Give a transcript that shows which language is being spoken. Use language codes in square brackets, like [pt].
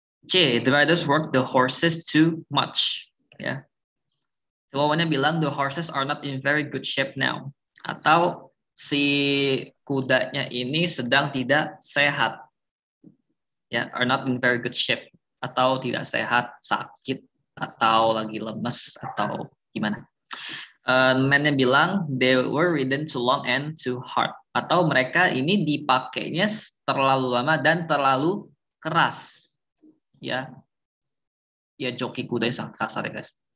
[en] C, the riders work the horses too much. Ya. Yeah. [id] Jawabannya bilang [en] the horses are not in very good shape now. [id] Atau si kudanya ini sedang tidak sehat. Ya, [en] are not in very good shape. [id] Atau tidak sehat, sakit, atau lagi lemes, atau gimana. Man-nya bilang [en] they were ridden too long and too hard. [id] Atau mereka ini dipakainya terlalu lama dan terlalu keras. Ya, ya joki kudanya sangat kasar ya guys.